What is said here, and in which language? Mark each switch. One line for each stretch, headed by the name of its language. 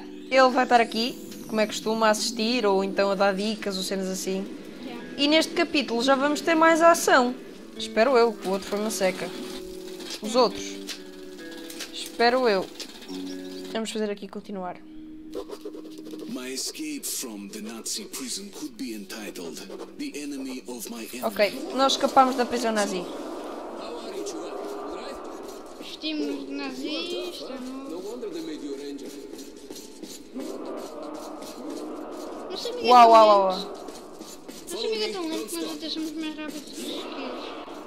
Portuguese: Ele vai estar aqui, como é costume, a assistir ou então a dar dicas ou cenas assim. E neste capítulo já vamos ter mais ação. Espero eu, o outro foi uma seca. Os outros. Espero eu. Vamos fazer aqui continuar.
English: My escape from the Nazi prison could be entitled The Enemy of My Enemy.
Portuguese: Ok, nós escapamos da prisão nazi. Vestimos de nazista, não? Nossa amiga uau, é tão lenta. uau, uau. Nossa amiga é tão lenta que nós até somos mais rápidos do que eles.